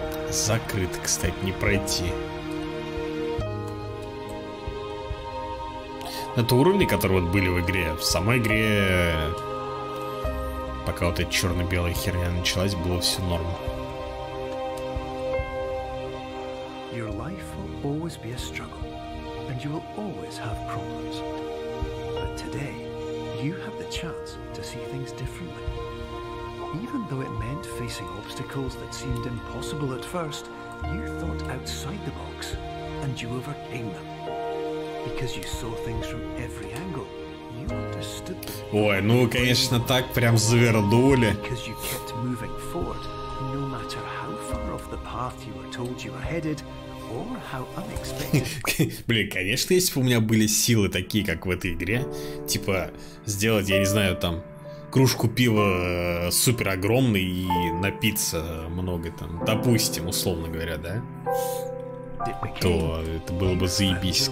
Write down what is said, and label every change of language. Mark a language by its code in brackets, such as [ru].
[ru] Закрыт, кстати, не пройти. Это уровни, которые вот были в игре. В самой игре, пока вот эта черно-белая херня началась, было все норм. [en] Your life will always be a struggle, and you will always have problems. But today, you have the chance to see things differently. Even though it meant facing obstacles that seemed impossible at first, you thought outside the box, and you overcame them. Because you saw things from every angle, you understood them. [ru] Ой, ну конечно так, прям завернули. [en] Because you kept moving forward, no matter how far off the path you were told you were headed, or how unexpected... [ru] Блин, конечно, если бы у меня были силы такие, как в этой игре, типа, сделать, я не знаю, там... кружку пива супер огромный и напиться много там, допустим, условно говоря, да, то это было бы заебись.